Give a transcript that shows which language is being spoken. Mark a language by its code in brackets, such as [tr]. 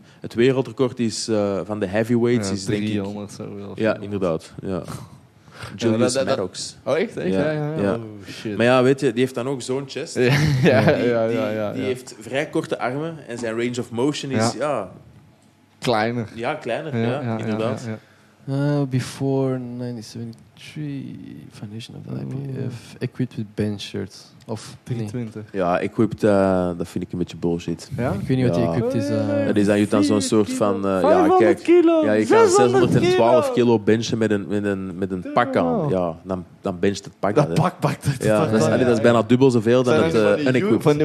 [nl] Het wereldrecord is van de heavyweights. Ja, is 300, denk ik, zoveel. Ja, inderdaad. Ja. Julius Maddox. Oh, echt? Ja. Oh, shit. Maar weet je, die heeft dan ook zo'n chest. Die heeft vrij korte armen en zijn range of motion is... Ja. Kleiner. Ja, kleiner. Ja, inderdaad. [en] Before 1973, foundation of the IPF, equipped with bench shirts. [nl] Of 320. Nee. Ja, equipped, dat vind ik een beetje bullshit. Ja? Ik weet niet wat die equipped is. Dat is dan, zo'n soort kilo. 500 kilo! Ja, je kan 612 kilo benchen met een pak aan. Ja, dan bencht het pak. Dat pak pakt het. Ja, dat is bijna dubbel zoveel dan het unequipped.